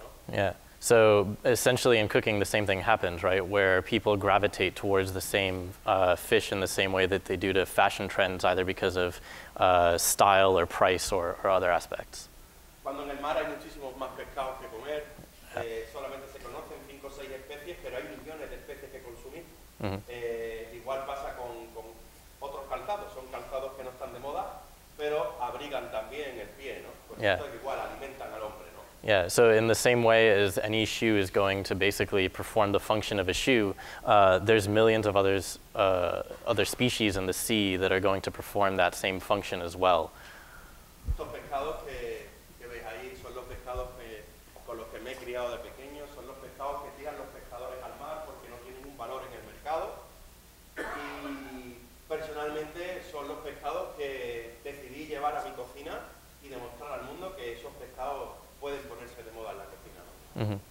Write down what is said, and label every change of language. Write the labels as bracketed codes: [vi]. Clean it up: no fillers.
[en] Yeah, so essentially in cooking the same thing happens, right? Where people gravitate towards the same fish in the same way that they do to fashion trends, either because of style or price or other aspects. [es] Cuando en el mar hay muchísimos más pescados que comer, solamente se conocen 5 o 6 especies, pero hay millones de especies que consumir. Mm-hmm. Igual pasa con otros calzados, son calzados que no están de moda, pero abrigan también el pie, ¿no? Pues [en] yeah. [es] Esto igual alimentan al hombre. [en] Yeah, so in the same way as any shoe is going to basically perform the function of a shoe, there's millions of others, other species in the sea that are going to perform that same function as well. [es] Estos pescados que veis ahí son los pescados con los que me he criado de pequeño, son los pescados que tiran los pescadores al mar porque no tienen un valor en el mercado. Y personalmente son los pescados que decidí llevar a mi cocina y demostrar al mundo que esos pescados pueden ponerse de moda en la cocina.